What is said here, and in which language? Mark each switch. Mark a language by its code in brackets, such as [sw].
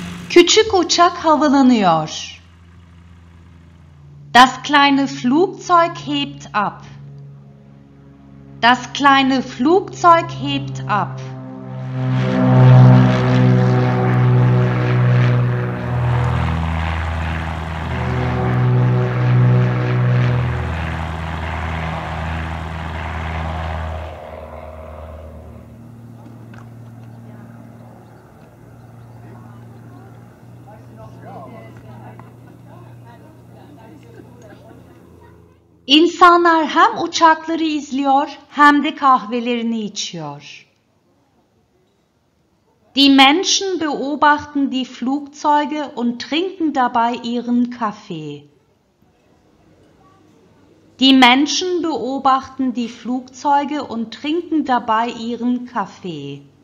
[tr] Küçük uçak havalanıyor. [de] Das kleine Flugzeug hebt ab. Das kleine Flugzeug hebt ab. [tr] İnsanlar hem uçakları izliyor hem de kahvelerini içiyor. [de] Die Menschen beobachten die Flugzeuge und trinken dabei ihren Kaffee. Die Menschen beobachten die Flugzeuge und trinken dabei ihren Kaffee.